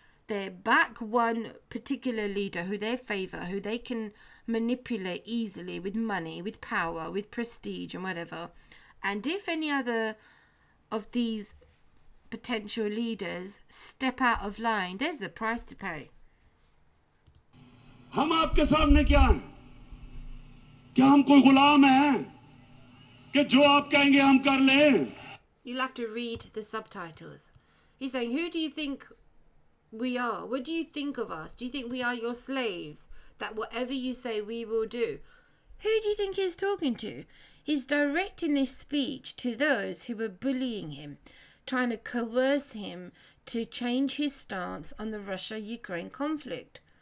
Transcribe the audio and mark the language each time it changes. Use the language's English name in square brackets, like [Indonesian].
[English] They back one particular leader who they favour, who they can manipulate easily with money, with power, with prestige and whatever. And if any other of these potential leaders step out of line, there's a price to pay. [Hindi] हम आपके सामने क्या हैं? क्या हम कोई गुलाम हैं कि जो आप कहेंगे हम कर लें? [English] You'll have to read the subtitles. He's saying, who do you think we are? What do you think of us? Do you think we are your slaves? That whatever you say, we will do. Who do you think he's talking to? He's directing this speech to those who were bullying him, trying to coerce him to change his stance on the Russia-Ukraine conflict.